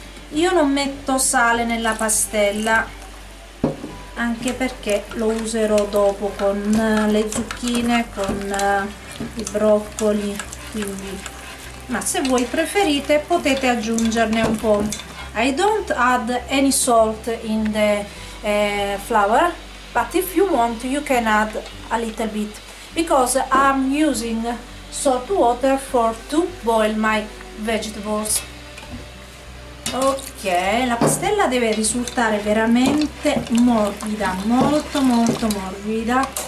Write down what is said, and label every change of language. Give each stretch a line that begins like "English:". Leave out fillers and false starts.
Italian: Io non metto sale nella pastella, anche perché lo userò dopo con le zucchine, con i broccoli, quindi. Ma se voi preferite potete aggiungerne un po'.
English: I don't add any salt in the flour, but if you want you can add a little bit, because I'm using salt water for to boil my vegetables.
Italian: Ok, la pastella deve risultare veramente morbida, molto molto morbida.